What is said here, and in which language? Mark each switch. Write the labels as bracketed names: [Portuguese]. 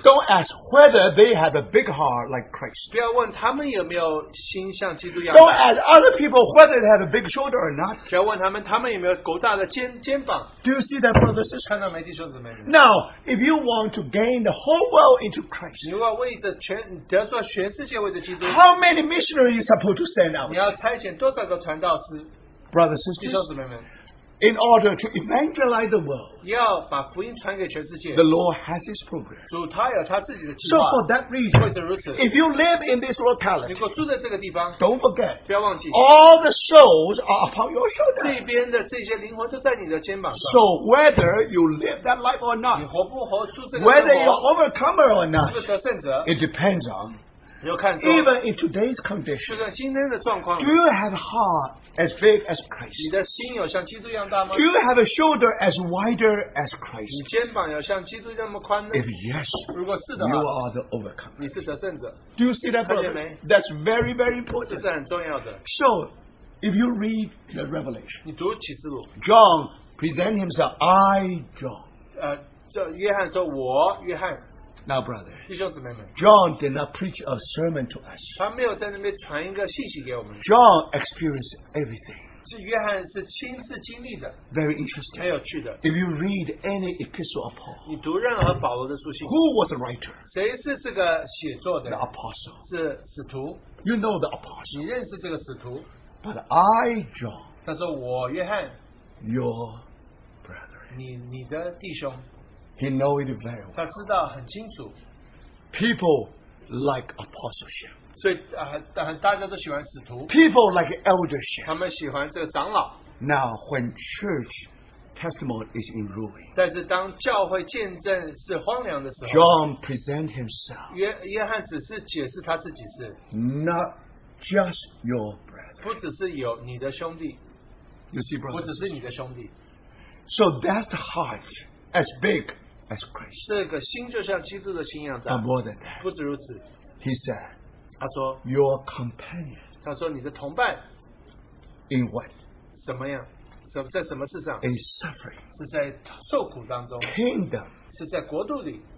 [English] Don't ask whether they have a big heart like Christ. [Chinese] 不要问他们有没有心像基督一样, [English] don't ask other people whether they have a big shoulder or not. [Chinese] 不要问他们有没有狗大的肩膀, [English] do you see that, brothers? [Chinese] 看到没, 弟兄姊妹们? [English] Now, if you want to gain the whole world into Christ, [Chinese] 你要为着全世界为着基督, [English] how many missionaries are you supposed to send out? [Chinese] 你要差遣多少个传道师? [English] Brothers and sisters, in order to evangelize the world, [Chinese] 要把福音传给全世界, [English] the Lord has His program. [Chinese] 主他有他自己的计划, [English] so for that reason, [Chinese] 或者如此, [English] if you live in this locality, [Chinese] 如果住在这个地方, [English] don't forget, [Chinese] 不要忘记, [English] all the souls are upon your shoulder. [Chinese] 这边的这些灵魂都在你的肩膀上, [English] so whether you live that life or not, [Chinese] 你活不活出这个生活, [English] whether you're overcomer or not, [Chinese] 是不是得胜者, [English] it depends on, [Chinese] 有看中, [English] even in today's condition, do you have a heart as big as Christ? [Chinese] 你的心有像基督一样大吗? [English] Do you have a shoulder as wider as Christ? [Chinese] 你肩膀有像基督那么宽呢? [English] If yes, [Chinese] 如果是的话, [English] you are the overcomer. [Chinese] 你是得胜者, [English] do you see that, brother? That's very, very important. [Chinese] 这是很重要的, [English] so, if you read the Revelation, [Chinese] 你读启示录, [English] John presents himself, I, John. [Chinese] 约翰说, 我, 约翰, [English] now, brother, [Chinese] 弟兄姊妹们, [English] John did not preach a sermon to us. [Chinese] 他没有在那边传一个信息给我们, [English] John experienced everything. [Chinese] 是约翰是亲自经历的, [English] very interesting. [Chinese] 很有趣的, [English] if you read any epistle of Paul, [Chinese] 你读任何保罗的书信, [English] who was the writer? [Chinese] 谁是这个写作的? [English] The apostle. [Chinese] 是使徒, [English] you know the apostle. [Chinese] 你认识这个使徒, [English] but I, John, [Chinese] 他说我约翰, [English] your brother, [Chinese] 你的弟兄, [English] he knows it very well. [Chinese] 他知道很清楚, [English] people like apostleship. [Chinese] 所以大家都喜欢使徒, [English] people like eldership. [Chinese] 他们喜欢这个长老, [English] now, when church testimony is in ruin, [Chinese] 但是当教会见证是荒凉的时候, [English] John presents himself, [Chinese] 约翰只是解释他自己是, [English] not just your brother, [Chinese] 不只是有你的兄弟, [English] you see, brother, [Chinese] 不只是你的兄弟, [English] so that's the heart as big as Christ. [Chinese] 这个心就像基督的心一样的, [English] but more than that, [Chinese] 不止如此, [English] he said, [Chinese] 他说, [English] your companion, [Chinese] 他说你的同伴, [English] in what? [Chinese] 什么样?在什么事上? [English] In suffering, [Chinese] 是在受苦当中, [English] kingdom, [Chinese] 是在国度里,